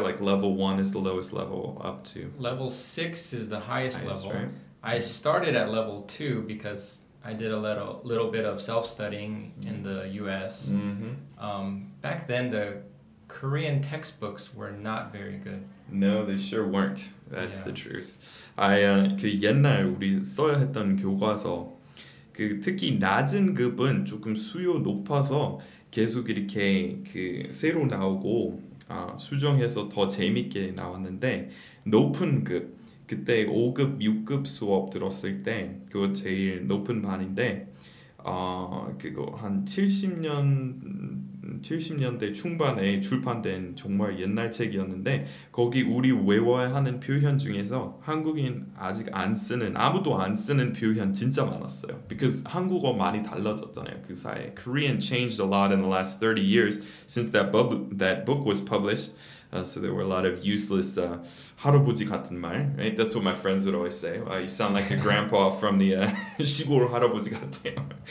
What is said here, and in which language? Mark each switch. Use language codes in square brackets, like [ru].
[en] Like level 1 is the lowest level up to? Level 6 is the highest level. Right? I started at level 2 because I did a little bit of self-studying in the U.S. Back then, the Korean textbooks were not very good. No, they sure weren't. That's the truth. [ko] I 그 옛날 우리 써야 했던 교과서, 그 특히 낮은 급은 조금 수요 높아서 계속 이렇게 그 새로 나오고 수정해서 더 재밌게 나왔는데 높은 급 그때 5급, 6급 수업 들었을 때 그거 제일 높은 반인데 그거 한 70년 70년대 중반에 출판된 정말 옛날 책이었는데 거기 우리 외워야 하는 표현 중에서 한국인 아직 안 쓰는 아무도 안 쓰는 표현 진짜 많았어요. Because 한국어 많이 달라졌잖아요. 그 사이에 [en] Korean changed a lot in the last 30 years since that book was published. So there were a lot of useless [ko] 할아버지 같은 말, [en] right? That's what my friends would always say. Wow, you sound like a grandpa from the [ko] 시골 할아버지 같아요.